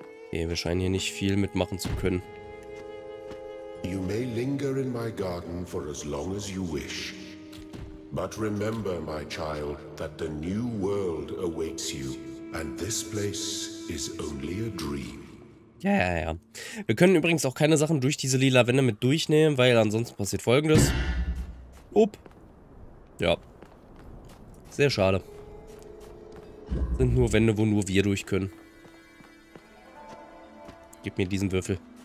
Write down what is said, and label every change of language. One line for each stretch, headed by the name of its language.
German: Wir scheinen hier nicht viel mitmachen zu können.
English: You may linger in my garden for as long as you wish. But remember, my child, that the new world awaits you. And this place is only a dream.
German: Ja, ja, ja. Wir können übrigens auch keine Sachen durch diese lila Wände mit durchnehmen, weil ansonsten passiert Folgendes. Upp. Ja. Sehr schade. Sind nur Wände, wo nur wir durch können. Gib mir diesen Würfel.